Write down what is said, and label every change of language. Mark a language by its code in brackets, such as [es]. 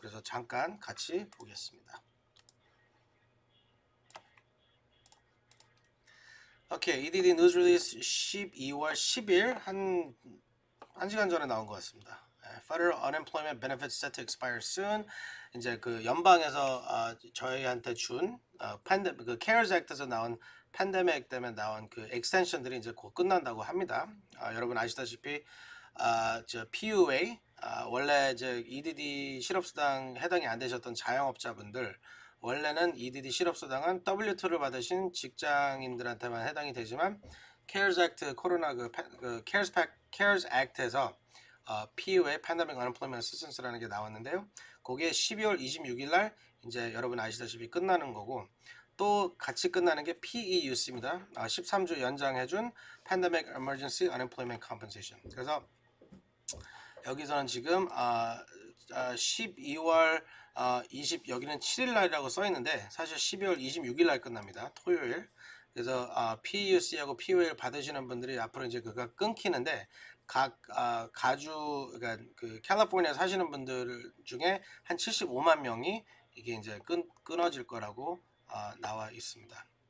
[ko] 그래서 잠깐 같이 보겠습니다. EDD 뉴스 릴리스 12월 10일 한 시간 전에 나온 것 같습니다. [en] Federal Unemployment Benefits set to expire soon. [ko] 이제 그 연방에서 저희한테 준 팬데믹, 그 CARES Act에서 나온 팬데믹 때문에 나온 그 extension들이 이제 곧 끝난다고 합니다. 여러분 아시다시피 저 PUA, 원래 이제 EDD 실업수당 해당이 안 되셨던 자영업자분들, 원래는 EDD 실업수당은 W2를 받으신 직장인들한테만 해당이 되지만, CARES Act, 코로나 그 CARES Pack, CARES Act에서 PUA, Pandemic Unemployment Assistance라는 게 나왔는데요. 그게 12월 26일 날 이제 여러분 아시다시피 끝나는 거고, 또 같이 끝나는 게 PEUC입니다. 13주 연장해준 Pandemic Emergency Unemployment Compensation. 그래서 여기서는 지금 12월 20, 여기는 7일 날이라고 써 있는데, 사실 12월 26일 날 끝납니다. 토요일. 그래서 PUC하고 PUA를 받으시는 분들이 앞으로 이제 그가 끊기는데, 그러니까 그 캘리포니아 사시는 분들 중에 한 75만 명이 이게 이제 끊어질 거라고 나와 있습니다.